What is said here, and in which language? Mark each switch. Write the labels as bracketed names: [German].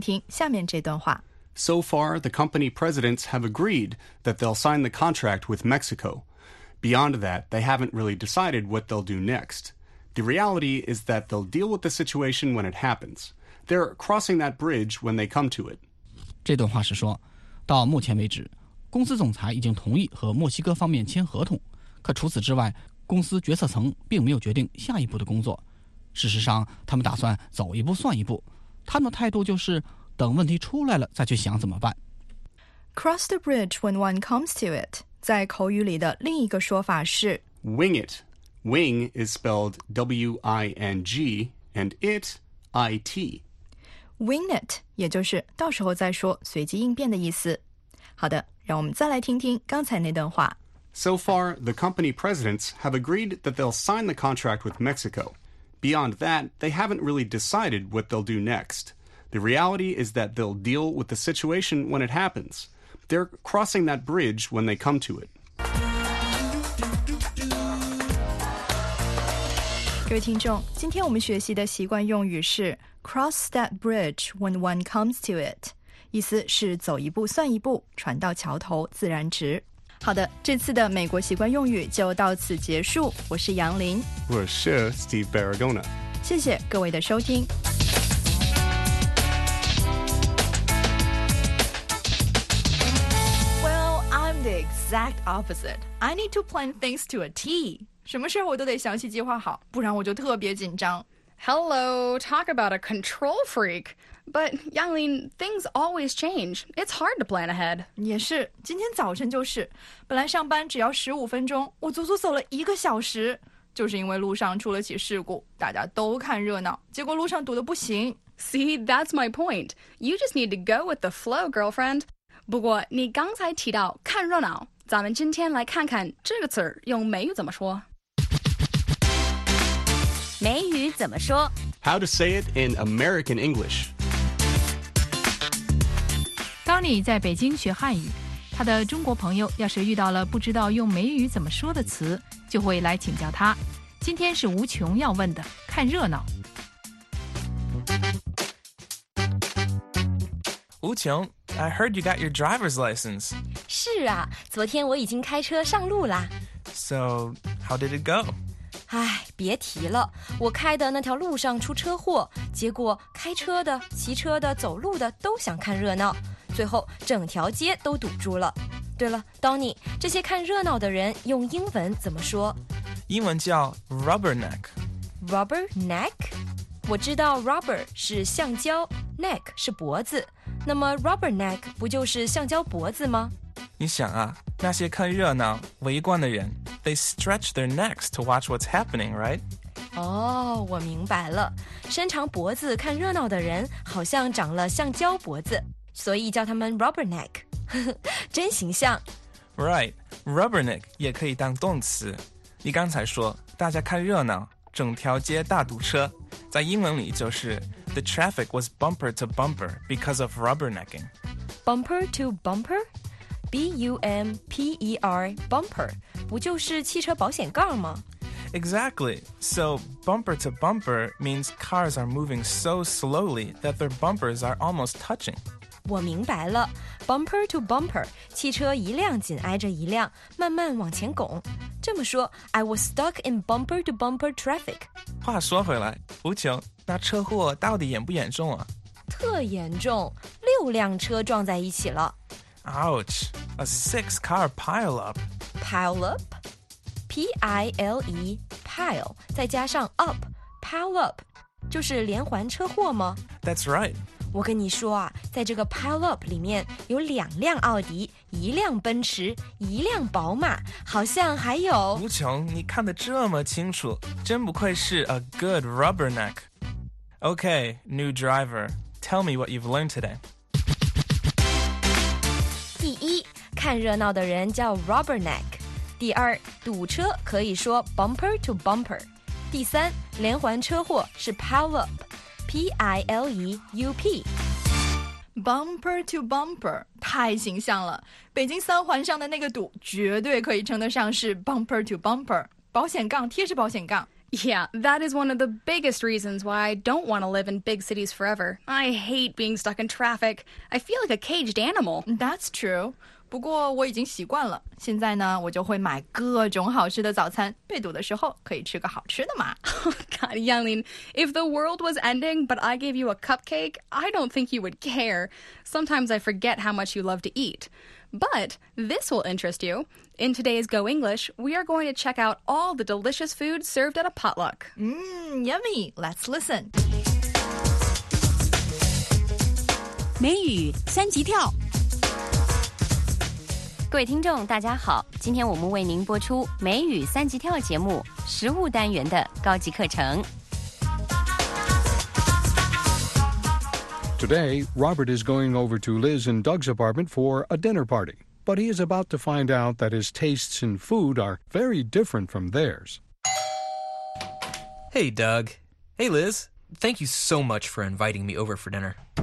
[English] So far, the company presidents have agreed that they'll sign the contract with Mexico. Beyond that, they haven't really decided what they'll do next. The reality is that they'll deal with the situation when it happens. They're crossing that bridge when they come to it. [Chinese] 这段话是说，到目前为止，公司总裁已经同意和墨西哥方面签合同，可除此之外，公司决策层并没有决定下一步的工作。事实上，他们打算走一步算一步，他们的态度就是等问题出来了再去想怎么办。 [English] Cross the bridge when one comes to it， [Chinese] 在口语里的另一个说法是 [English] Wing it。 Wing is spelled W-I-N-G and it, I-T. Wing it, [Chinese] 也就是到时候再说随机应变的意思。好的，让我们再来听听刚才那段话。 [English] So far, the company presidents have agreed that they'll sign the contract with Mexico. Beyond that, they haven't really decided what they'll do next. The reality is that they'll deal with the situation when it happens. They're crossing that bridge when they come to it. [Chinese] 各位听众，今天我们学习的习惯用语是 [English] cross that bridge when one comes to it， [Chinese] 意思是走一步算一步，船到桥头自然直。好的，这次的美国习惯用语就到此结束。我是杨林，我是 Steve Barragona，谢谢各位的收听。 [English] Well, I'm the exact opposite. I need to plan things to a T. [Chinese] 什么事儿我都得详细计划好，不然我就特别紧张。 [English] Hello, talk about a control freak. But, Yanglin, things always change. It's hard to plan ahead. [Chinese] 也是，今天早晨就是，本来上班只要15分钟，我足足走了一个小时，就是因为路上出了起事故，大家都看热闹，结果路上堵得不行。 [English] See, that's my point. You just need to go with the flow, girlfriend. [Chinese] 不过你刚才提到看热闹。咱们今天来看看这个词儿用美语怎么说。美语怎么说 [English] ？How to say it in American English？ [Chinese] 当你在北京学汉语，他的中国朋友要是遇到了不知道用美语怎么说的词，就会来请教他。今天是无穷要问的，看热闹。 [English] 无穷 ，I heard you got your driver's license. [Chinese] 是啊，昨天我已经开车上路啦。 [English] So, how did it go? [Chinese] 哎，别提了，我开的那条路上出车祸，结果开车的、骑车的、走路的都想看热闹，最后整条街都堵住了。对了 ，Donny， 这些看热闹的人用英文怎么说？英文叫 rubberneck。 [English] Rubberneck？ [Chinese] 我知道 rubber 是橡胶 ，neck 是脖子，那么 rubberneck 不就是橡胶脖子吗？你想啊，那些看热闹、围观的人 [English] ，they stretch their necks to watch what's happening, right? [Chinese] 哦，我明白了，伸长脖子看热闹的人好像长了橡胶脖子，所以叫他们 rubberneck， 真形象。 Right, rubberneck 也可以当动词。你刚才说大家看热闹，整条街大堵车，在英文里就是 [English] the traffic was bumper to bumper because of rubbernecking. Bumper to bumper? [Chinese] B-U-M-P-E-R, bumper, 不就是汽车保险杠吗？ [English] Exactly. So bumper to bumper means cars are moving so slowly that their bumpers are almost touching. [Chinese] 我明白了。 [English] Bumper to bumper, [Chinese] 汽车一辆紧挨着一辆，慢慢往前拱。这么说 [English] ,I was stuck in bumper to bumper traffic. [Chinese] 话说回来，无穷，那车祸到底严不严重啊？特严重，六辆车撞在一起了。 [English] Ouch, a six-car pile-up. Pile-up? [Chinese] P-I-L-E, pile, 再加上 up, pile-up, 就是连环车祸吗？ [English] That's right. [Chinese] 我跟你说啊，在这个 pile-up 里面有两辆奥迪，一辆奔驰，一辆宝马，好像还有…… 无穷，你看得这么清楚，真不愧是 [English] a good rubberneck. Okay, new driver, Tell me what you've learned today. [Chinese] 第一，看热闹的人叫 rubberneck。第二，堵车可以说 bumper to bumper。第三，连环车祸是 pile up, P-I-L-E-U-P。 [English] Bumper to bumper, [Chinese] 太形象了。北京三环上的那个堵绝对可以称得上是 [English] bumper to bumper, [Chinese] 保险杠贴着保险杠。 [English] Yeah, that is one of the biggest reasons why I don't want to live in big cities forever. I hate being stuck in traffic. I feel like a caged animal. That's true. [Chinese] 不过我已经习惯了。现在呢，我就会买各种好吃的早餐，被堵的时候可以吃个好吃的嘛。 [English] God, Yanglin, if the world was ending but I gave you a cupcake, I don't think you would care. Sometimes I forget how much you love to eat. But this will interest you. In today's Go English, we are going to check out all the delicious food served at a potluck. Mmm, yummy. Let's listen. [Chinese] 美语三级跳。各位听众大家好，今天我们为您播出美语三级跳节目食物单元的高级课程。 [English] Today, Robert is going over to Liz and Doug's apartment for a dinner party, but he is about to find out that his tastes in food are very different from theirs. Hey, Doug. Hey, Liz. Thank you so much for inviting me over for dinner.